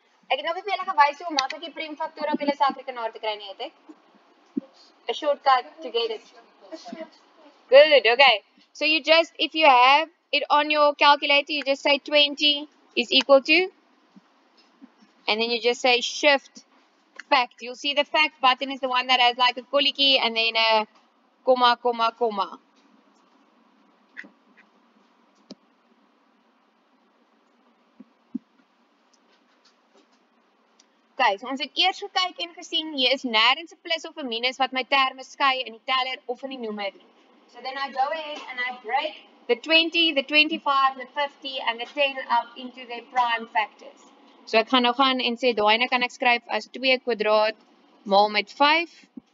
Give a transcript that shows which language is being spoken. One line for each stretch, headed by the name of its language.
Afrikaans: Ek het nou vir julle gewys hoe maklik die prem faktor op julle selfrekenaar te kry nie, het ek?
English: A shortcut to get it. Good, okay. So you just, if you have it on your calculator, you just say 20 is equal to. And then you just say shift fact. You'll see the fact button is the one that has like a curly key and then a comma, comma, comma. Okay, so
Afrikaans: ons het eers gekyk en gesien, hier is nêrens 'n plus of 'n minus wat my terme skei in die teller of in die noemer.
English: So then I go ahead and I break the 20, the 25, the 50 and the 10 up into their prime factors. So
Afrikaans: ek gaan nou gaan en sê, daai ene kan ek skryf as 2 kwadraat maal met 5.